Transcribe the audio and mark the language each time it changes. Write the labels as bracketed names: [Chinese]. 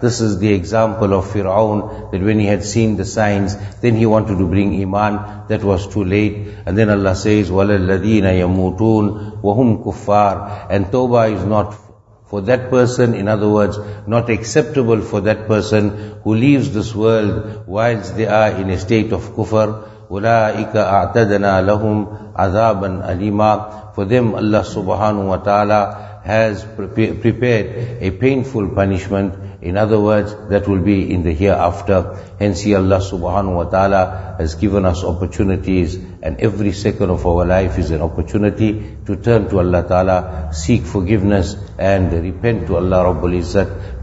[English] This is the example of Fir'aun, that when he had seen the signs, then he wanted to bring iman. That was too late. And then Allah says, [Arabic] وَلَلَّذِينَ يَمُوتُونَ وَهُمْ كُفَّارٌ. [English] And tawbah is not for that person, in other words, not acceptable for that person who leaves this world whilst they are in a state of kufr. [Arabic] أُولَٰئِكَ أَعْتَدَنَا لَهُمْ عَذَابًا أَلِيمًا. [English] For them Allah Subhanahu wa Ta'ala has prepared a painful punishment, in other words, that will be in the hereafter. Hence here Allah Subhanahu wa Ta'ala has given us opportunities, and every second of our life is an opportunity to turn to Allah Ta'ala, seek forgiveness and repent to Allah Rabbul Izzat.